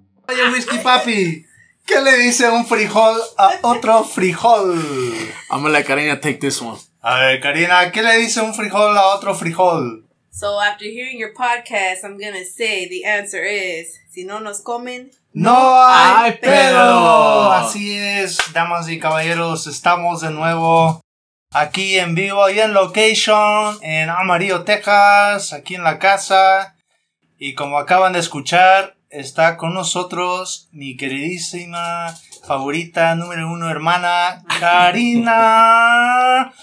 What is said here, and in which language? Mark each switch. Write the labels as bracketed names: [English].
[Spanish] Oye, Whiskey Papi, ¿qué le dice un frijol a otro frijol? [English] I'm gonna let Karina take this one. [Spanish] A ver, Karina, ¿qué le dice un frijol a otro frijol? [English] So after hearing your podcast, I'm going to say the answer is, [Spanish] si no nos comen, no hay pedo. Así es, damas y caballeros, estamos de nuevo aquí en vivo y en location en Amarillo, Texas, aquí en la casa. Y como acaban de escuchar, está con nosotros mi queridísima favorita número uno hermana, Karina.